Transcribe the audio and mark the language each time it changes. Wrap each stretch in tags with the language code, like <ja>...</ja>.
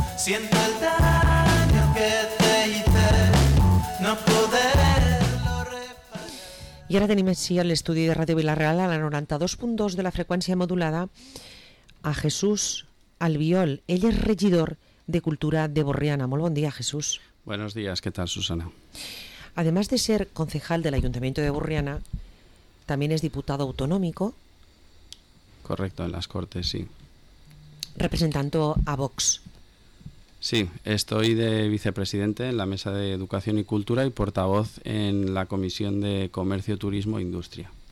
<es>Siento el daño que te hice, no poderlo reparar.</es> <ca>I ara tenim així a l'estudi de Ràdio Vila-real, a la 92.2 de la freqüència modulada, a Jesús Albiol. Ell és regidor de Cultura de Borriana. Molt bon dia, Jesús.</ca> <es>Buenos días, ¿qué tal, Susana? Además de ser concejal del Ayuntamiento de Borriana, también es diputado autonómico. Correcto, en las Cortes, sí. Representando a Vox. Sí, estoy de vicepresidente en la Mesa de Educación y Cultura y portavoz en la Comisión de Comercio, Turismo e Industria.</es>